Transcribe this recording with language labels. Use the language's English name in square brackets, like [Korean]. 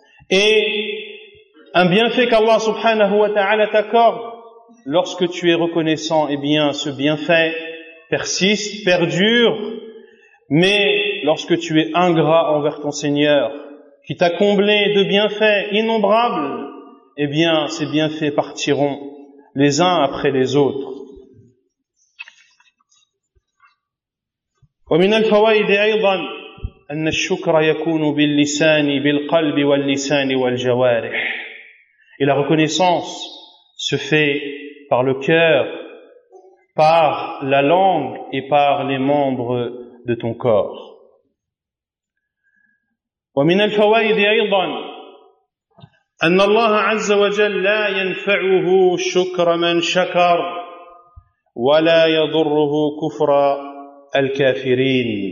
[French] Et un bienfait qu'Allah subhanahu wa ta'ala t'accorde lorsque tu es reconnaissant, eh bien ce bienfait persiste, perdure. Mais lorsque tu es ingrat envers ton Seigneur qui t'a comblé de bienfaits innombrables, eh bien ces bienfaits partiront les uns après les autres. [Arabic] ومن الفوائد ايضا ان الشكر يكون باللسان بالقلب واللسان والجوارح. [French] Et la reconnaissance se fait par le cœur, par la langue et par les membres de ton corps. [Arabic] ومن الفوائد ايضا ان الله عز وجل لا ينفعه شكر من شكر ولا يضره كفر الكافرين.